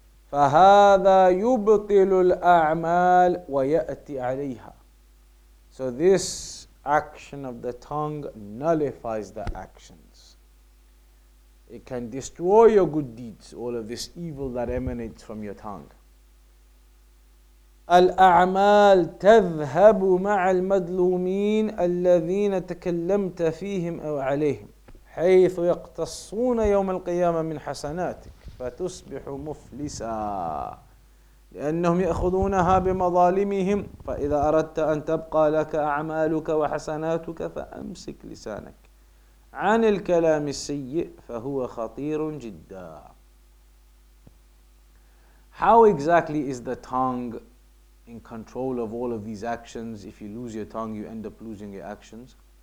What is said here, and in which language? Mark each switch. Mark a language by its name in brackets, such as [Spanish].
[Arabic] فَهَذَا يُبْطِلُ الْأَعْمَالِ وَيَأْتِ عَلَيْهَا. [English] So this action of the tongue nullifies the actions. It can destroy your good deeds, all of this evil that emanates from your tongue. [Arabic] الأعمال تذهب مع المدلومين الذين تكلمت فيهم أو عليهم حيث يقتصون يوم القيامة من حسناتك فتصبح مفلسا لأنهم يأخذونها بمظالمهم فإذا أردت أن تبقى لك أعمالك وحسناتك فأمسك لسانك عن الكلام السيء فهو خطير جدا. [English] How exactly is the tongue in control of all of these actions? If you lose your tongue, you end up losing your actions.